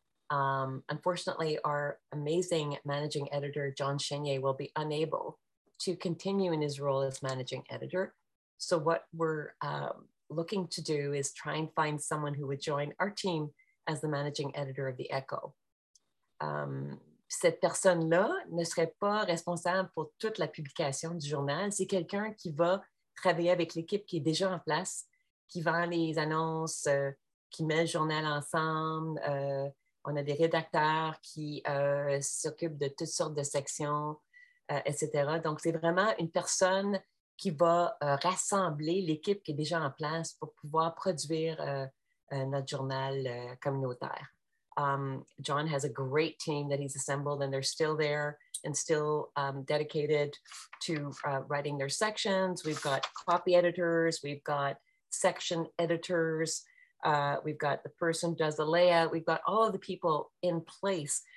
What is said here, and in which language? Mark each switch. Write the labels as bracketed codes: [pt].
[en] Unfortunately, our amazing managing editor, John Chenier, will be unable to continue in his role as managing editor. So what we're looking to do is try and find someone who would join our team as the managing editor of the Echo. [fr] Cette personne-là ne serait pas responsable pour toute la publication du journal. C'est quelqu'un qui va travailler avec l'équipe qui est déjà en place, qui vend les annonces, qui met le journal ensemble. On a des rédacteurs qui s'occupent de toutes sortes de sections, etc. Donc, c'est vraiment une personne qui va rassembler l'équipe qui est déjà en place pour pouvoir produire notre journal communautaire. [en] John has a great team that he's assembled, and they're still there and still dedicated to writing their sections. We've got copy editors. We've got section editors. We've got the person who does the layout. We've got all of the people in place.